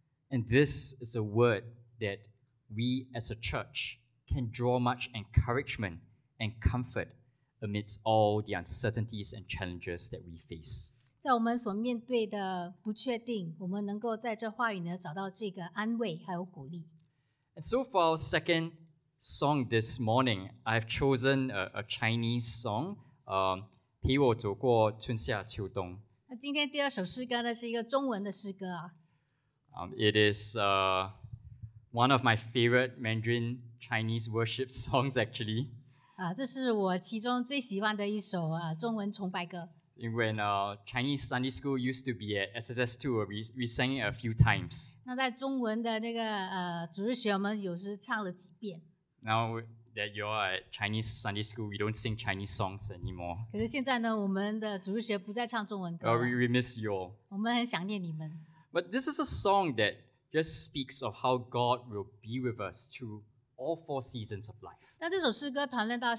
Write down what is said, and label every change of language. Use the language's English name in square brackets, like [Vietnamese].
[English] And this is a word that we as a church can draw much encouragement and comfort amidst all the uncertainties and challenges that we face. [Chinese] 在我们所面对的不确定，我们能够在这话语呢找到这个安慰还有鼓励。 [English] And so for our second song this morning, I've chosen a Chinese song, 陪我走过春夏秋冬. [Chinese] 今天第二首诗歌呢是一个中文的诗歌. [English] It is one of my favorite Mandarin Chinese worship songs, actually. [Chinese] 这是我其中最喜欢的一首 中文 崇拜歌. [English] When Chinese Sunday School used to be at SSS2, we sang it a few times. [Chinese] 那在中文的那个 主日学我们有时唱了几遍. [English] Now that you are at Chinese Sunday School, we don't sing Chinese songs anymore. [Chinese] 可是现在呢, 我们的主日学不再唱中文歌. [English] We miss you all. [Chinese] 我们很想念你们. [English] But this is a song that just speaks of how God will be with us through all four seasons of life.